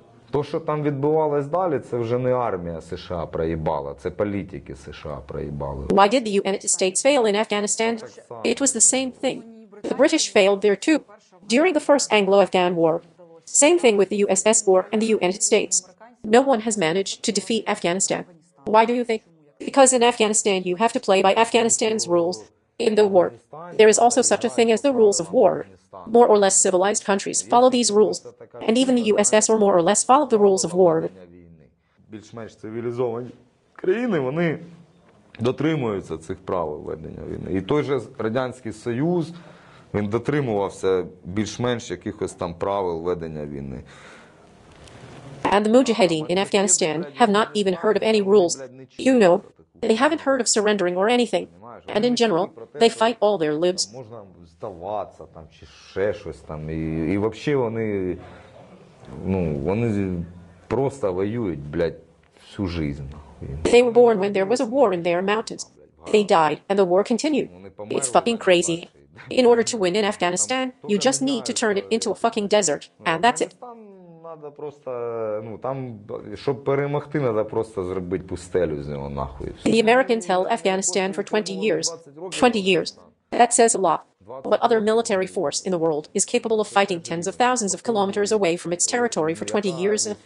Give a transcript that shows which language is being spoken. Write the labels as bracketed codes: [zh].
[uk] То, що там відбувалось далі, це вже не армія США проїбала, це політики США проїбали. [en] Why did the United States fail in Afghanistan? It was the same thing. The British failed there too. During the first Anglo-Afghan war, same thing with the USSR and the United States. No one has managed to defeat Afghanistan. Why do you think? Because in Afghanistan you have to play by Afghanistan's rules in the war. There is also such a thing as the rules of war. More or less civilized countries follow these rules. And even the USSR more or less follow the rules of war. [uk] Більш-менш цивілізовані країни, вони дотримуються цих правил ведення війни. І той же Радянський Союз, він дотримувався більш-менш якихось там правил ведення війни. [en] And the Mujahideen in Afghanistan have not even heard of any rules. You know, they haven't heard of surrendering or anything. And in general, they fight all their lives. [uk] Можна здаватися там чи ще щось там. І взагалі вони, ну, вони просто воюють, блядь, всю життя. [en] They were born when there was a war in their mountains. They died, and the war continued. It's fucking crazy. In order to win in Afghanistan, you just need to turn it into a fucking desert, and that's it. [uk] На надо просто, ну, там, щоб перемогти, надо просто зробити пустелю з нього нахуй. [en] The Americans held Afghanistan for 20 years. 20 years. That says a lot. What other military force in the world is capable of fighting tens of thousands of kilometers away from its territory for 20 years?